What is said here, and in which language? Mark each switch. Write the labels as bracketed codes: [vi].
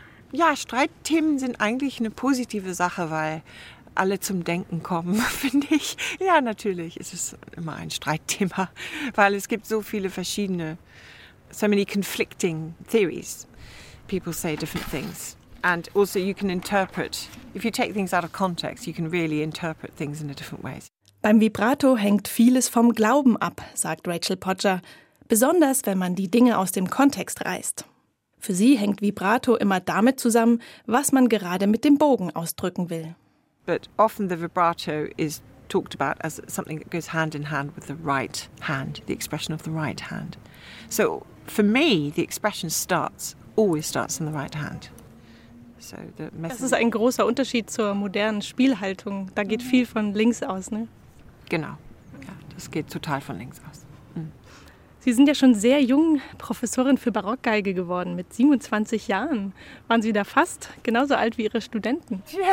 [de] Ja, Streitthemen sind eigentlich eine positive Sache, weil alle zum Denken kommen, finde ich. Ja, natürlich ist es immer ein Streitthema, weil es gibt so viele verschiedene, [en] so many conflicting theories. People say different things. And also you can interpret, if you take things out of context, you can really interpret things in a different way. [de] Beim Vibrato hängt vieles vom Glauben ab, sagt Rachel Podger, besonders wenn man die Dinge aus dem Kontext reißt. Für sie hängt Vibrato immer damit zusammen, was man gerade mit dem Bogen ausdrücken will. [en] But often the vibrato is talked about as something that goes hand in hand with the right hand, the expression of the right hand. So for me, the expression always starts in the right hand. So the message. [de] Das ist ein großer Unterschied zur modernen Spielhaltung. Da geht viel von links aus, ne? Genau, ja, das geht total von links aus. Sie sind ja schon sehr jung Professorin für Barockgeige geworden, mit 27 Jahren. Waren Sie da fast genauso alt wie Ihre Studenten?